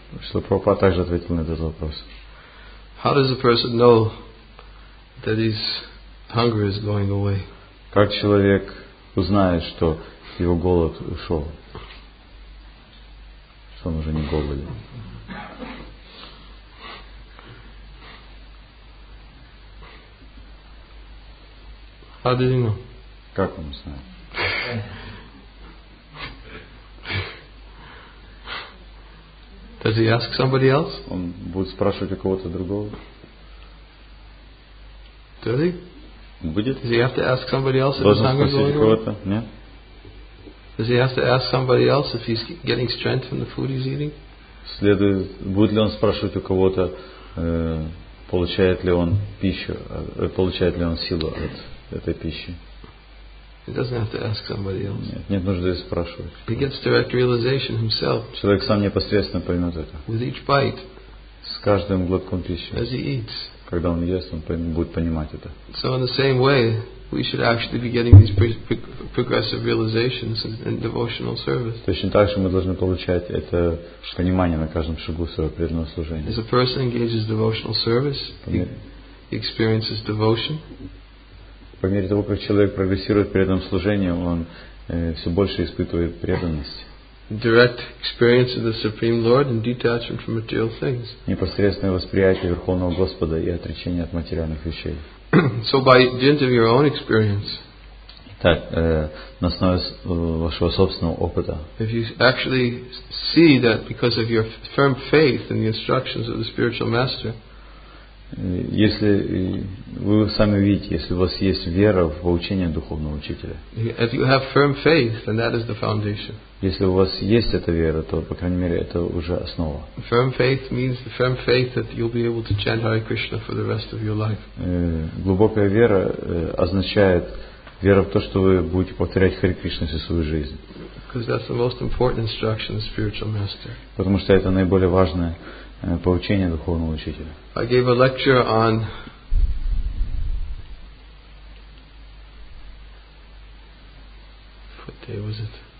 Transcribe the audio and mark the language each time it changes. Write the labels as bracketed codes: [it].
[ru] Что Прабхупада также ответил на этот вопрос. [en] How does a person know that his hunger is going away? [ru] Как человек узнает, что его голод ушел? Что он уже не голоден? [en] How did he know? [ru] Как он знает? [en] Does he ask somebody else? [ru] Он будет спрашивать у кого-то другого? [en] Does he? [ru] Будет? [en] Does he have to ask somebody else if his hunger is going away? Does he have to ask somebody else if he's getting strength from the food he's eating? [ru] Следует, будет ли он спрашивать у кого-то, получает ли он пищу, получает ли он силу от этой пищи? [en] He doesn't have to ask somebody else. [ru] Нет, нет нужды спрашивать. [en] He gets direct realization himself. [ru] Человек сам непосредственно поймет это. [en] With each bite. [ru] С каждым глотком пищи. [en] As he eats. [ru] Когда он ест, он будет понимать это. [en] So in the same way, we should actually be getting these progressive realizations in devotional service. [ru] Точно так же мы должны получать это понимание на каждом шагу своего преданного служения. [en] As a person engages devotional service, he experiences devotion. [ru] По мере того, как человек прогрессирует при этом служении, он все больше испытывает преданность. Непосредственное восприятие Верховного Господа и отречение от материальных вещей. [en] So by dint of your own experience, [ru] так, на основе вашего собственного опыта, [en] if you actually see that because of your firm faith in the instructions of the spiritual master, [ru] если вы сами видите, если у вас есть вера в поучение духовного учителя, [en] if you have firm faith, then that is the foundation. [ru] Если у вас есть эта вера, то по крайней мере это уже основа. [en] Firm faith means the firm faith that you'll be able to chant Hare Krishna for the rest of your life. [ru] Глубокая вера означает вера в то, что вы будете повторять Харе Кришну всю свою жизнь. [en] Because that's the most important instruction of the spiritual master. [ru] Потому что это наиболее важное поучение духовного учителя. [en] I gave a lecture on what day was it?